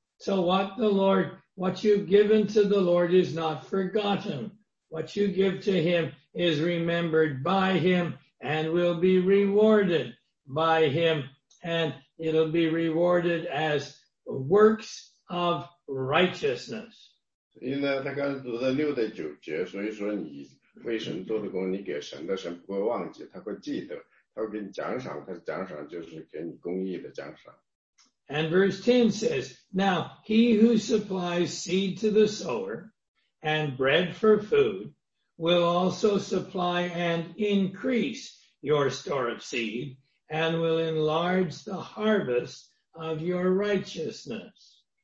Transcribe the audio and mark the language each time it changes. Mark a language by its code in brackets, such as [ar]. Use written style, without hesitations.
[en] So what you've given to the Lord is not forgotten. What you give to him is remembered by him and will be rewarded by him. And it'll be rewarded as works of righteousness. [zh] 所以呢，他刚读的六到九节，所以说你为神做的工，你给神的，神不会忘记，他会记得，他会给你奖赏，他的奖赏就是给你公义的奖赏。 [en] And verse 10 says, now he who supplies seed to the sower and bread for food will also supply and increase your store of seed and will enlarge the harvest of your righteousness.